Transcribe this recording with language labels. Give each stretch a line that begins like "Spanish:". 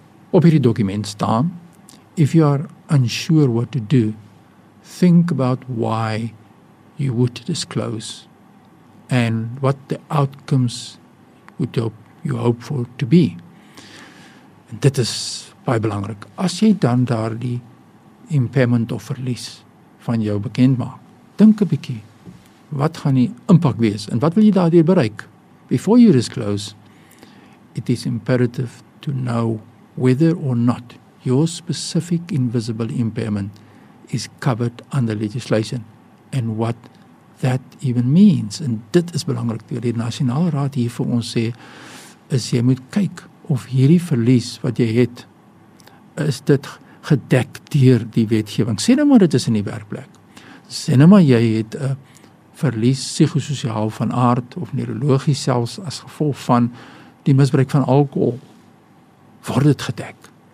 Afrikaans: Op hierdie dokument staan,
English: if you are unsure what to do, think about why you would disclose and what the outcomes would you hope for to be.
Afrikaans: En dit is baie belangrik. As jy dan daar die impairment of verlies van jou bekend maak, dink 'n bietjie, wat gaan die impak wees en wat wil jy daardeur bereik?
English: Before you disclose, it is imperative to know whether or not your specific invisible impairment is covered under legislation and what that even means.
Afrikaans: En dit is belangrik, die Nasionale Raad hier vir ons sê, is jy moet kyk of hierdie verlies wat jy het, is dit gedek deur die wetgewing. Sê nou maar dit is in die werkplek. Sê nou maar jy het 'n verlies psigososiaal van aard of neurologies selfs as gevolg van die misbruik van alkohol. Word dit gedek?